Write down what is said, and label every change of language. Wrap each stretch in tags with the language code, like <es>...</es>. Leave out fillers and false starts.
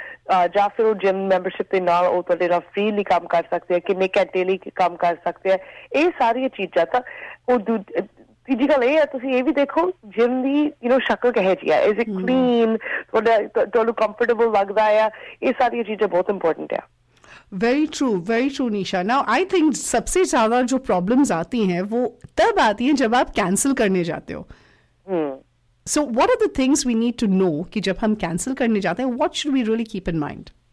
<pa>ਆ ਜਾਂ ਫਿਰ ਉਹ ਜਿਮ ਮੈਂਬਰਸ਼ਿਪ ਦੇ ਨਾਲ ਉਹ ਤੁਹਾਡੇ ਨਾਲ ਫ੍ਰੀਲੀ ਕੰਮ ਕਰ ਸਕਦੇ ਆ ਕਿੰਨੇ ਘੰਟੇ ਲਈ ਕੰਮ ਕਰ ਸਕਦੇ ਆ ਇਹ ਸਾਰੀਆਂ ਚੀਜ਼ਾਂ ਤਾਂ ਉਹ ਤੀਜੀ ਗੱਲ ਇਹ ਆ ਤੁਸੀਂ ਇਹ ਵੀ ਦੇਖੋ ਜਿਮ ਦੀ ਯੂਨੋ ਸ਼ਕਲ ਕਿਹੋ ਜਿਹੀ ਆ</pa> <en>is it clean</en> <pa>ਤੁਹਾਨੂੰ ਕੰਫਰਟੇਬਲ ਲੱਗਦਾ ਆ ਇਹ ਸਾਰੀਆਂ ਚੀਜ਼ਾਂ ਬਹੁਤ ਇੰਪੋਰਟੈਂਟ ਆ</pa> <en>Very true, Neesha. Now, I think</en> <hi>सबसे ज्यादा जो problems आती हैं वो तब आती हैं जब आप cancel करने जाते हो.</hi> <en>So, what are the things we need to know</en> <hi>कि जब हम cancel करने जाते हैं,</hi> <en>what should we really keep in mind?</en>